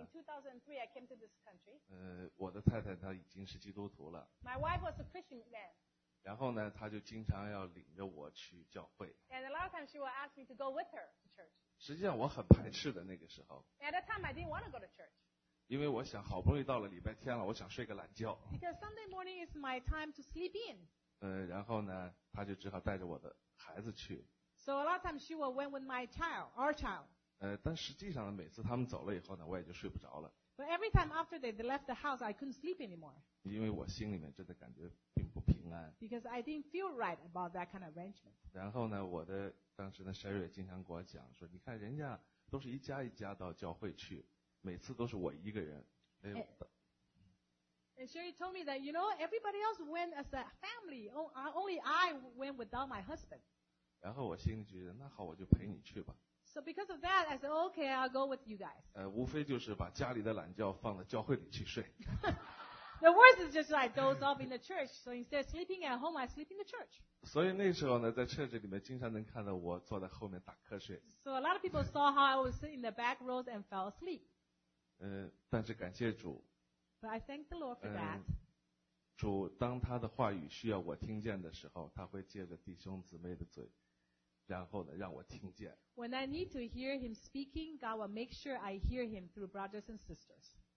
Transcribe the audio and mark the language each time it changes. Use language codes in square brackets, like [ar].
[en] In 2003, I came to this country. [zh] 我的太太她已经是基督徒了。 [en] My wife was a Christian then. [zh] 然后呢，他就经常要领着我去教会。 [en] And a lot of times she will ask me to go with her to church. [zh] 实际上我很排斥的那个时候。 [en] At that time I didn't want to go to church. [zh] 因为我想好不容易到了礼拜天了，我想睡个懒觉。 [en] Because Sunday morning is my time to sleep in. [zh] 然后呢，他就只好带着我的孩子去。 [en] So a lot of times she will went with my child, our child. [zh] 但实际上呢，每次他们走了以后呢，我也就睡不着了。 [en] But every time after they left the house, I couldn't sleep anymore. [zh] 因为我心里面真的感觉。 [en] Because I didn't feel right about that kind of arrangement. [zh] 然后呢，我的当时呢 ，Sherry 经常跟我讲说，你看人家都是一家一家到教会去，每次都是我一个人。哎。 [en] And Sherry told me that you know everybody else went as a family. Only I went without my husband. [zh] 然后我心里觉得，那好，我就陪你去吧。 [en] So because of that, I said, okay, I'll go with you guys. [zh] 无非就是把家里的懒觉放到教会里去睡。 [en] The worst is just like those off in the church. So instead of sleeping at home, I sleep in the church. [zh] 所以那时候呢，在church里面经常能看到我坐在后面打瞌睡。 [en] So a lot of people saw how I was sitting in the back rows and fell asleep. [zh] 但是感谢主。 [en] But I thank the Lord for that. [zh] 主当他的话语需要我听见的时候，他会借着弟兄姊妹的嘴，然后呢让我听见。 [en] When I need to hear him speaking, God will make sure I hear him through brothers and sisters.